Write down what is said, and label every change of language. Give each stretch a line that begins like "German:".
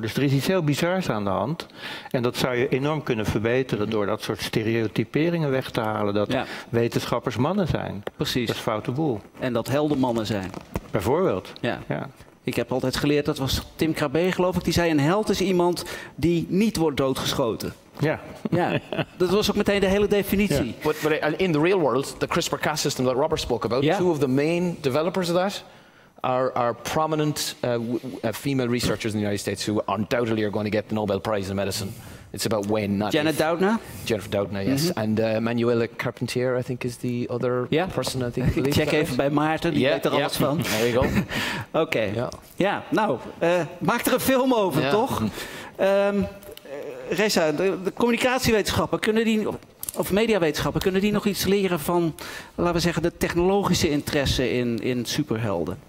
Dutch: Dus er is iets heel bizars aan de hand. En dat zou je enorm kunnen verbeteren door dat soort stereotyperingen weg te halen. Dat wetenschappers mannen zijn. Precies. Dat is foute boel. En dat helden mannen zijn. Bijvoorbeeld. Ja. Ik heb altijd geleerd, dat was Tim Krabbe geloof ik, die zei een held is iemand die niet wordt doodgeschoten. Ja. Dat was ook meteen de hele definitie.
English: Yeah. But in the real world, the CRISPR-Cas system that Robert spoke about, two of the main developers of that, are prominent female researchers in the United States who undoubtedly are going to get the Nobel Prize in medicine. It's about when, not Jenna if. Doudna? Jennifer Doudna, yes. Mm-hmm. And Manuela Carpentier, I think, is the other person, I think.
Dutch: Check even bij Maarten, die weet er alles van.
English: There you go. Okay. Yeah.
Dutch: Ja, nou, maak er een film over, toch? Reza, de communicatiewetenschappen, kunnen die, of mediawetenschappen, kunnen die nog iets leren van, laten we zeggen, de technologische interesse in superhelden?